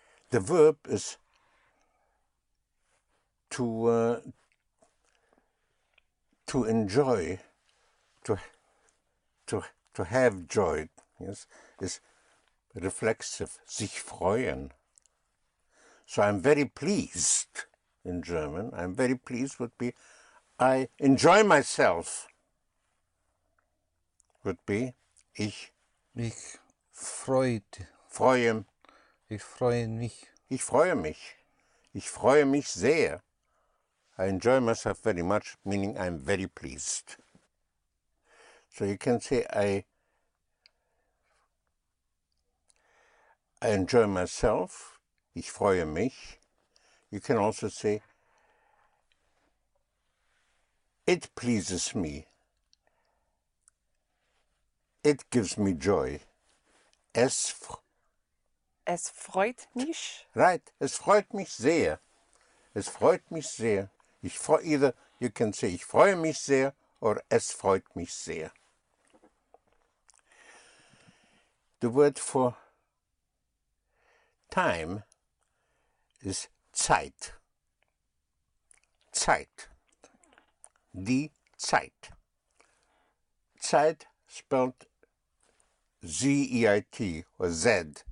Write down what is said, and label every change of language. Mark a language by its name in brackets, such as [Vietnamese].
[English] The verb is to enjoy, to have joy. Yes, is reflexive, [German] sich freuen. [English] So I'm very pleased. In German, I'm very pleased would be, I enjoy myself. Would be [German] ich freue ich freue mich. Ich freue mich. Ich freue mich sehr. [English] I enjoy myself very much, meaning I'm very pleased. So you can say I enjoy myself. [German] Ich freue mich. [English] You can also say it pleases me. It gives me joy. [German] Es freut mich. Right. Es freut mich sehr. Es freut mich sehr. [English] Either you can say [German] ich freue mich sehr [English] or [German] es freut mich sehr. [English] The word for time is Zeit. [German] Zeit. Die Zeit. [English] Zeit spelled Z-E-I-T or Z.